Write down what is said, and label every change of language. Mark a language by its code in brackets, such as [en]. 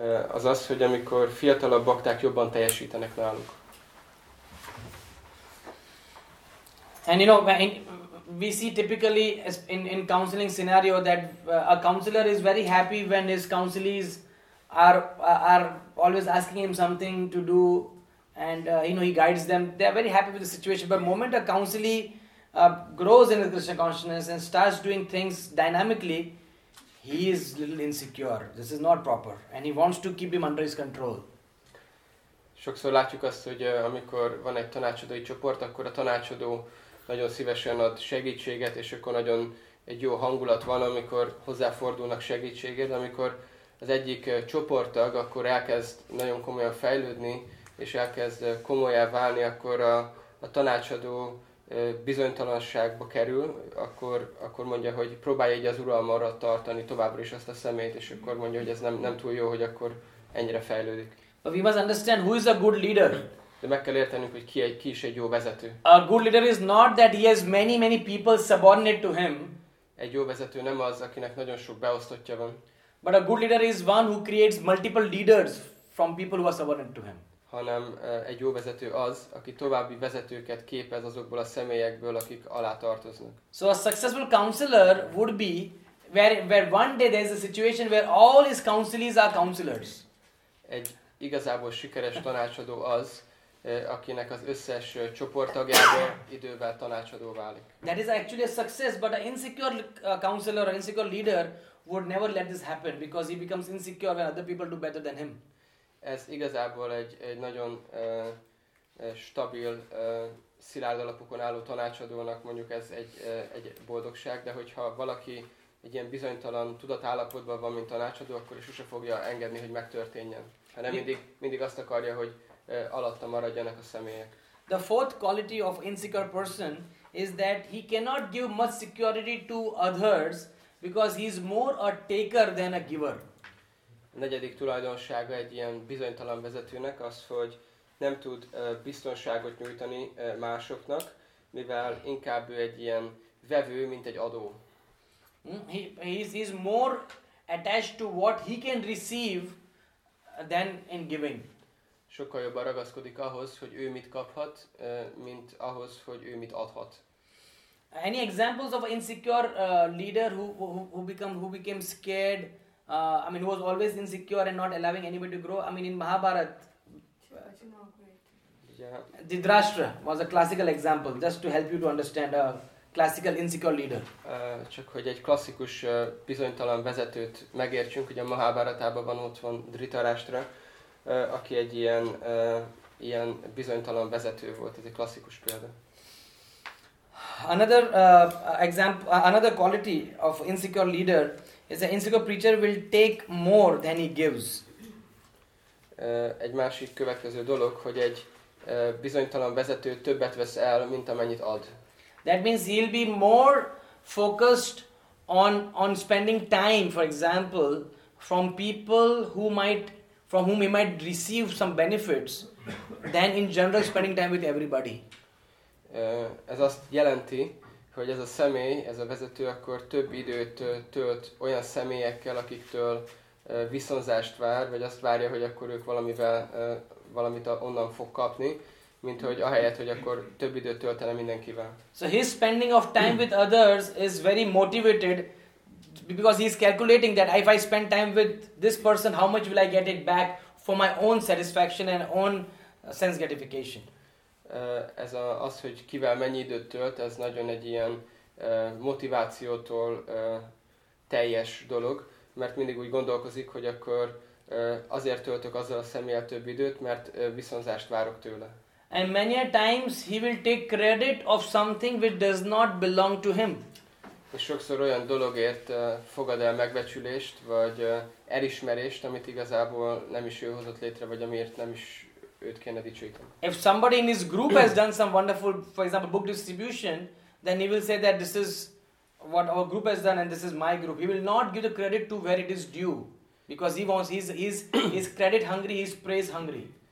[hu] az az, hogy amikor fiatalabb bakták jobban teljesítenek náluk. [en] And you know, when we see typically in counseling scenario that a counselor is very happy when his counselees are always asking him something to do. And you know, he guides them, they are very happy with the situation, but the moment a counselee grows in his Krishna consciousness and starts doing things dynamically, he is a little insecure, this is not proper, and he wants to keep him under his control. [hu] Sokszor látjuk azt, hogy amikor van egy tanácsadói csoport, akkor a tanácsadó nagyon szívesen ad segítséget, és akkor nagyon egy jó hangulat van, amikor hozzáfordulnak segítségért, amikor az egyik csoporttag akkor elkezd nagyon komolyan fejlődni, és elkezd komolyá válni, akkor a tanácsadó bizonytalanságba kerül, akkor mondja, hogy próbálja így az uralmarra tartani továbbra is azt a szemét, és akkor mondja, hogy ez nem túl jó, hogy akkor ennyire fejlődik. [en] But we must understand who is a good leader. [hu] De meg kell értenünk, hogy ki is egy jó vezető. [en] A good leader is not that he has many people subordinate to him. [hu] Egy jó vezető nem az, akinek nagyon sok beosztottja van. [en] But a good leader is one who creates multiple leaders from people who are subordinate to him. [hu] Hanem egy jó vezető az, aki további vezetőket képez azokból a személyekből, akik alá tartoznak. [en] So a successful counselor would be where one day there is a situation where all his counselees are counselors. [hu] Egy igazából sikeres tanácsadó az, akinek az összes csoporttagjából idővel tanácsadó válik. [en] That is actually a success, but an insecure counselor or insecure leader would never let this happen because he becomes insecure when other people do better than him. [hu] Ez igazából egy nagyon stabil, szilárd alapokon álló tanácsadónak mondjuk ez egy boldogság, de hogyha valaki egy ilyen bizonytalan tudatállapotban van, mint tanácsadó, akkor is sose fogja engedni, hogy megtörténjen. Hanem mindig azt akarja, hogy alatta maradjanak a személyek. [en] The fourth quality of insecure person is that he cannot give much security to others because he is more a taker than a giver. [hu] A negyedik tulajdonsága egy ilyen bizonytalan vezetőnek az, hogy nem tud biztonságot nyújtani másoknak, mivel inkább ő egy ilyen vevő, mint egy adó. [en] He is more attached to what he can receive than in giving. [hu] Sokkal jobban ragaszkodik ahhoz, hogy ő mit kaphat, mint ahhoz, hogy ő mit adhat. [en] Any examples of an insecure leader who became scared? Who was always insecure and not allowing anybody to grow. I mean, in Mahabharat, Dhritarashtra was a classical example, just to help you to understand a classical insecure leader. [hu] Csak hogy egy klasszikus bizonytalan vezetőt megértsünk, hogy a Mahabharatában van ott van Dhritarashtra, aki egy ilyen bizonytalan vezető volt, ez egy klasszikus példa. [en] Another quality of insecure leader is an insecure preacher will take more than he gives. [hu] Egy másik következő dolog, hogy egy bizonytalan vezető többet vesz el, mint amennyit ad. [en] That means he'll be more focused on spending time, for example, from people from whom he might receive some benefits, than in general spending time with everybody. [hu] Ez azt jelenti, hogy ez a személy, ez a vezető akkor több időt tölt olyan személyekkel, akiktől viszonzást vár, vagy azt várja, hogy akkor ők valamit onnan fog kapni, mint hogy ahelyett, hogy akkor több időt töltene mindenkivel. [en] So his spending of time with others is very motivated, because he is calculating that if I spend time with this person, how much will I get it back for my own satisfaction and own sense gratification. [hu] Ez az, hogy kivel mennyi időt tölt, ez nagyon egy ilyen motivációtól teljes dolog, mert mindig úgy gondolkozik, hogy akkor azért töltök azzal a személlyel több időt, mert viszonzást várok tőle. [en] And many times he will take credit of something which does not belong to him. [hu] És sokszor olyan dologért fogad el megbecsülést, vagy elismerést, amit igazából nem is ő hozott létre, vagy amiért nem is őt kéne dicsőíteni. [en] If somebody in his group has done some wonderful, for example, book distribution, then he will say that this is what our group has done and this is my group. He will not give the credit to where it is due, because he's credit hungry, he's praise hungry.